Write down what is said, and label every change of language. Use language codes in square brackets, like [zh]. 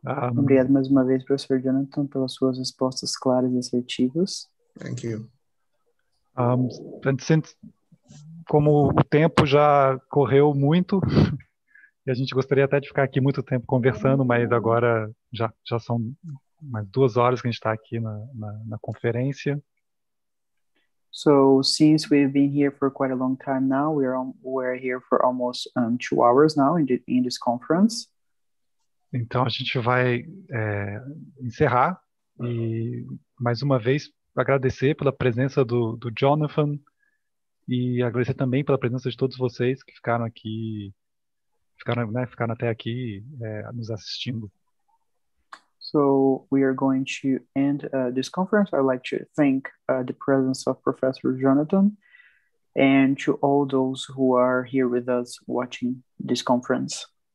[pt] Obrigado mais uma vez, professor Jonathan, pelas suas respostas claras e assertivas. [en] Thank you. And since, [pt] como o tempo já correu muito, e a gente gostaria até de ficar aqui muito tempo conversando, mas agora já são mais 2 horas que a gente está aqui na conferência. [en] So, since we've been here for quite a long time now, we're here for almost 2 hours now in this conference. [pt] Então, a gente vai encerrar e, mais uma vez, agradecer pela presença do Jonathan e agradecer também pela presença de todos vocês que ficaram aqui, ficaram até aqui nos assistindo. [en] So we are going to end this conference. I'd like to thank the presence of Professor Jonathan and to all those who are here with us watching this conference.